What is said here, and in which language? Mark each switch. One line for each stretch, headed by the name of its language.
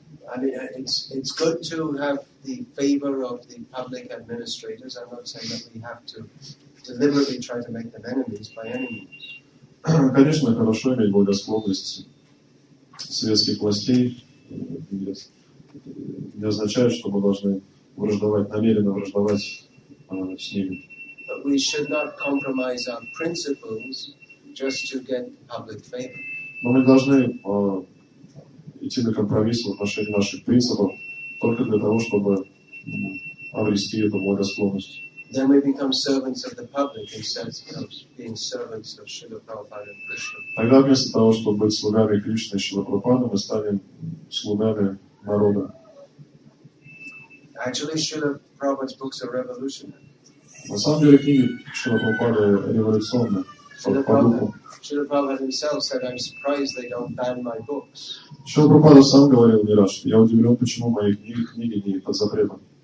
English: It's good to have the favor of the public administrators. I'm not saying that we have to deliberately try to make them enemies by any means.
Russian: Конечно, хорошо иметь благосклонность светских властей. Не означает, что мы должны враждовать, намеренно враждовать с ними.
English: But we should not compromise our principles just to get public favor.
Russian: Но мы должны идти на компромисс в отношении наших принципов только для того, чтобы обрести эту благосклонность.
English: Then we become servants of the public instead of being servants of Srila Prabhupada and Krishna.
Russian: Тогда вместо того, чтобы быть слугами Кришны и Шрила Прабхупады, мы станем слугами народа.
English: Actually, Srila Prabhupada's books are revolutionary.
Russian: На самом деле книги Шрила Прабхупады революционны.
English: Srila Prabhupada himself said, I'm surprised they don't ban my books.
Russian: Шрила Прабхупада сам говорил мне раз, я удивлен, почему мои книги не под запретом.